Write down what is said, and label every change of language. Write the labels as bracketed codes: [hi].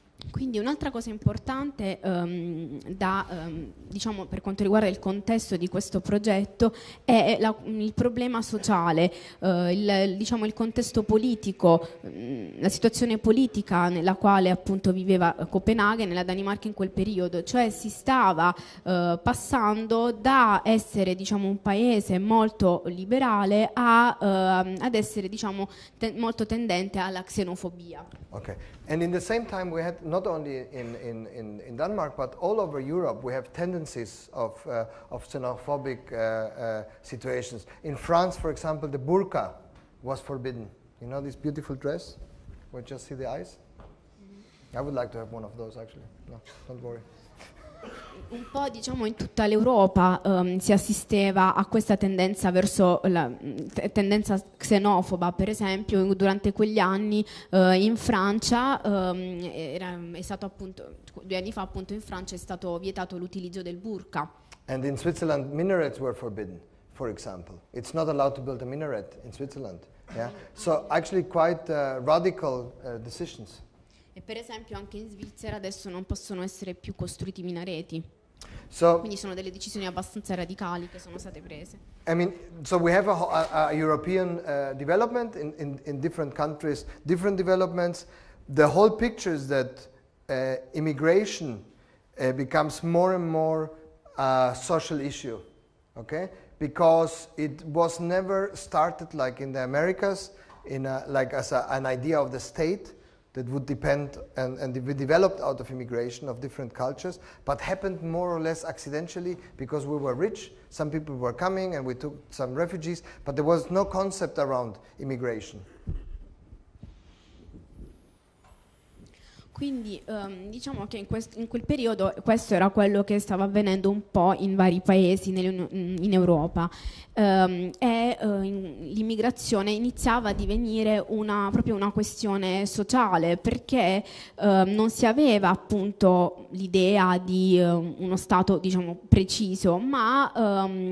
[it] Quindi un'altra cosa importante per quanto riguarda il contesto di questo progetto è il problema sociale, il contesto politico, la situazione politica nella quale appunto viveva Copenaghen nella Danimarca in quel periodo, cioè si stava passando da essere un paese molto liberale ad essere molto tendente alla xenofobia. [en] Okay. And in the same time, we had not only in Denmark, but all over Europe, we have tendencies of xenophobic situations. In France, for example, the burqa was forbidden. You know this beautiful dress, where you just see the eyes? I would like to have one of those, actually. No, don't worry. [it] Un po' in tutta l'Europa si assisteva a questa tendenza verso la tendenza xenofoba, per esempio durante quegli anni in Francia è stato vietato l'utilizzo del burqa. [en] And in Switzerland minarets were forbidden, for example. It's not allowed to build a minaret in Switzerland. Yeah? So actually quite radical decisions. [it] E per esempio anche in Svizzera adesso non possono essere più costruiti minareti. [en] So, [it] quindi sono delle decisioni abbastanza radicali che sono state prese. [en] I mean, so we have a European development in different countries, different developments. The whole picture is that immigration becomes more and more a social issue, okay? Because it was never started like in the Americas, as an idea of the state that would depend and be developed out of immigration of different cultures, but happened more or less accidentally because we were rich, some people were coming and we took some refugees, but there was no concept around immigration. [it] Quindi che in quel periodo questo era quello che stava avvenendo un po' in vari paesi in Europa l'immigrazione iniziava a divenire una questione sociale, perché non si aveva appunto l'idea di uno stato preciso, ma